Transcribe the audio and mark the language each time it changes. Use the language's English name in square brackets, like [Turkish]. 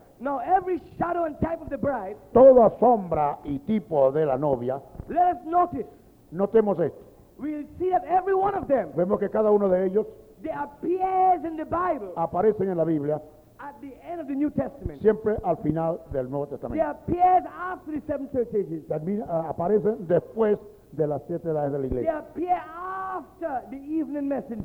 [English] Now every shadow and type of the bride. [Spanish] Toda sombra y tipo de la novia. [English] Let us notice. [Spanish] Notemos esto. [English] We see that every one of them. [Spanish] Vemos que cada uno de ellos. [English] They appear in the Bible. [Spanish] Aparecen en la Biblia. [English] At the end of the New Testament. [Spanish] Siempre al final del Nuevo Testamento. [English] They appear after the seven church ages. [Spanish] También aparecen después de las siete edades de la iglesia. [English] They appear after the evening messenger.